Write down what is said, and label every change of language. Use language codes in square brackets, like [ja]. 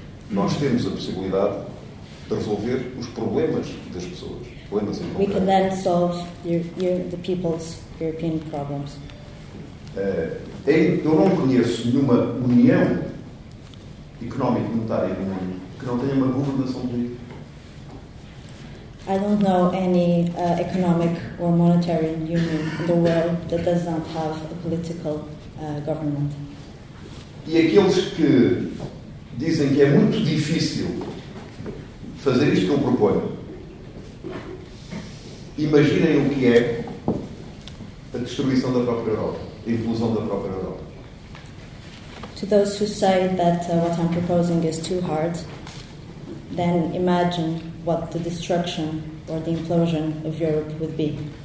[pt] Nós temos a possibilidade de resolver os problemas das pessoas, problemas em concreto. [en] We can then solve the people's European problems. [pt] Eu não conheço nenhuma união económica monetária do mundo que não tenha uma governação política. [en] I don't know any economic or monetary union in the world that does not have a political government. [pt] E aqueles que dizem que é muito difícil fazer isto que eu proponho, imaginem o que é a destruição da própria Europa, a implosão da própria Europa. [en] To those who say that what I'm proposing is too hard, then imagine what the destruction or the implosion of Europe would be.